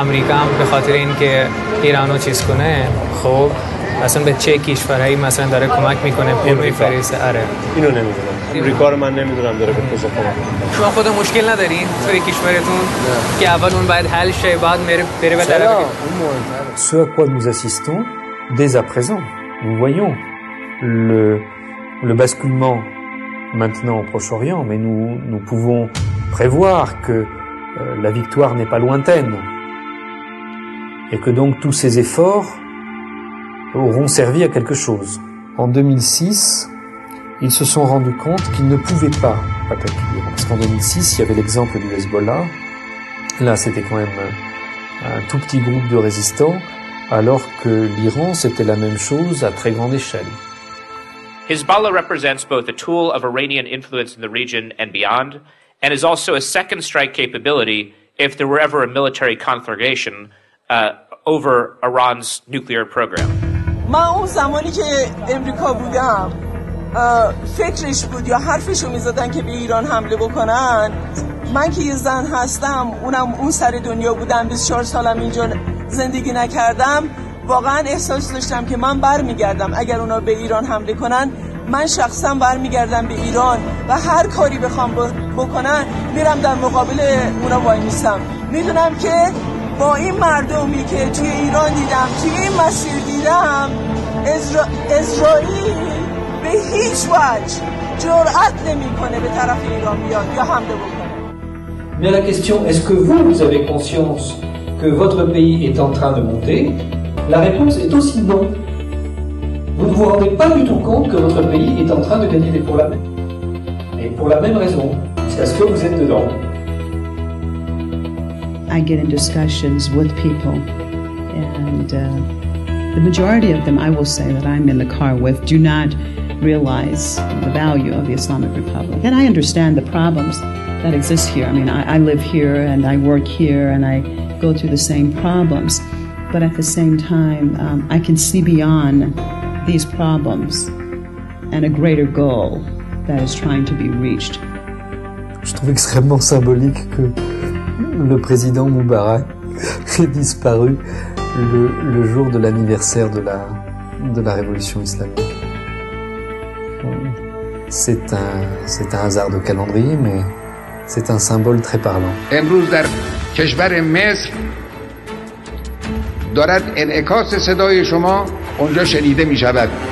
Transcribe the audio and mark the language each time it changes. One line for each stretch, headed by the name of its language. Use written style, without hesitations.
Persian: امریکا هم به خاطر این که ایرانو چیز کنه، خب اصلا به چه کشورهایی مثلا داره کمک میکنه؟ امریکا. اینو نمیدونم، امریکا رو من نمیدونم داره به کجا کمک میکنه. شما خود مشکل ندارین توی کشورتون؟ نه. که اول اون باید حل شه، بعد میره به طرف. سلام. اون مهمتره.
French: Ce à quoi nous assistons, dès à présent, nous voyons le basculement maintenant au Proche-Orient, mais nous pouvons prévoir que la victoire n'est pas lointaine et que donc tous ces efforts auront servi à quelque chose. En 2006, ils se sont rendus compte qu'ils ne pouvaient pas attaquer l'Iran. Parce qu'en 2006, il y avait l'exemple du Hezbollah. Là, c'était quand même un tout petit groupe de résistants, alors que l'Iran, c'était la même chose à très grande échelle.
English: Hezbollah represents both a tool of Iranian influence in the region and beyond, and is also a second strike capability if there were ever a military conflagration over Iran's nuclear program.
Persian: من اون زمانی که امریکا بودم فکرش بود یا حرفشو میزدن که به ایران حمله بکنن، من که یه زن هستم اونم اون سر دنیا بودم، 24 سالم اینجا زندگی نکردم، واقعا احساس داشتم که من برمیگردم اگر اونا به ایران حمله کنن، من شخصا برمیگردم به ایران و هر کاری بخوام بکنن میرم در مقابل اونا وایمیستم. میدونم که با این مردمی که توی ایران دیدم، توی این مسیر دیدم، اسرائیل به هیچ وجه جرأت نمی‌کنه به طرف ایران بیاد یا حمله بکنه.
French: Mais la question est-ce que vous avez conscience que votre pays est en train de monter? La réponse est aussi non. Vous ne vous rendez pas du tout compte que votre pays est en train de gagner des problèmes. Et pour la même raison, c'est parce que vous êtes dedans.
English: I get in discussions with people, and the majority of them, I will say that I'm in the car with, do not realize the value of the Islamic Republic. And I understand the problems that exist here. I mean, I live here and I work here and I go through the same problems. But at the same time, I can see beyond these problems and a greater goal that is trying to be reached.
French: Je trouve extrêmement symbolique que le président Moubarak ait disparu le jour de l'anniversaire de la révolution islamique. C'est un hasard de calendrier, mais c'est un symbole très parlant.
Persian: امروز در کشور مصر دارد انعکاس صدای شما اونجا شنیده می شود.